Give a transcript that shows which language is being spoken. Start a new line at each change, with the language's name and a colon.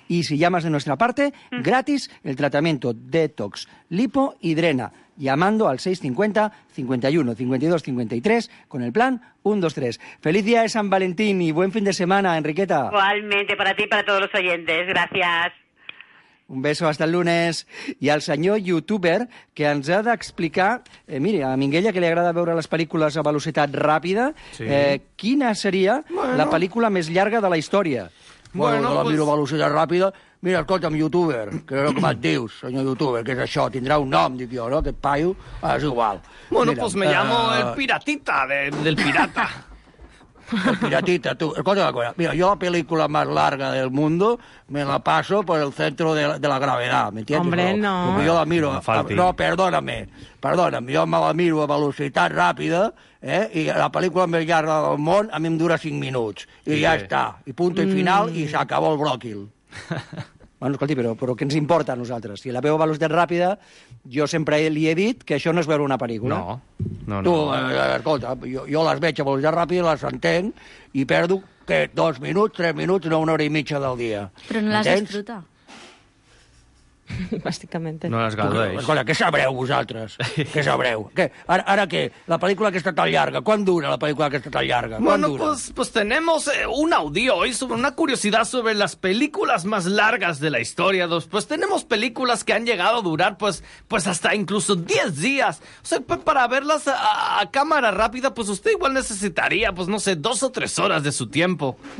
Spanish: Y si llamas de nuestra parte, gratis el tratamiento Detox, Lipo y Drena, llamando al 650-51-52-53 con el plan 1-2-3. ¡Feliz día de San Valentín y buen fin de semana, Enriqueta! Igualmente, para ti y para todos los oyentes. Gracias. Un beso, hasta el lunes.
Catalan: I al senyor youtuber que ens ha d'explicar, mire, a Minguella, que li agrada veure les pel·lícules a velocitat ràpida, quina seria la pel·lícula més llarga de la història? Bueno, la miro a velocitat ràpida. Mira, escolta'm, youtuber, que és el que me'n dius, senyor youtuber, que és això, tindrà un nom, dic jo, no? Aquest paio, és igual. Bueno, mira,
Spanish: pues me llamo el piratita del pirata.
Catalan: El piratita, tu. Escolta'm una cosa.
Spanish: Mira,
Catalan: jo la pel·lícula més llarga
Spanish: del mundo me la paso por el centro de la gravedad, ¿m'entiendes? Hombre, no.
Catalan: Jo la miro...
Spanish: No, perdóname.
Catalan: Perdóna'm, jo me la miro a velocitat ràpida, i la pel·lícula més llarga del món a mi em dura 5 minuts. I sí, ja està. I
Spanish: punto y final,
Catalan: i
Spanish: s'acabó
Catalan: el bròquil. Bueno, escolti, però què ens importa a nosaltres? Si la veu a velocitat ràpida, jo sempre li he dit que això no és veure una pel·lícula. No. Tu, escolta, jo les veig a velocitat ràpida, les entenc, i perdo, què, 2 minuts, 3 minuts, no, 1 hora i mitja del dia. Però no les disfruta. Bàsicament. No les gaudeix. Escolta, què sabreu vosaltres? Què sabreu? Què? Ara què? La pel·lícula aquesta tan llarga. Quant dura la pel·lícula aquesta tan llarga?
Spanish: Bueno, pues tenemos un audio hoy sobre una curiosidad sobre las películas más largas de la historia. Pues tenemos películas que han llegado a durar pues hasta incluso 10 días. O sea, para verlas a cámara rápida, pues usted igual necesitaría, pues no sé, 2 o 3 horas de su tiempo.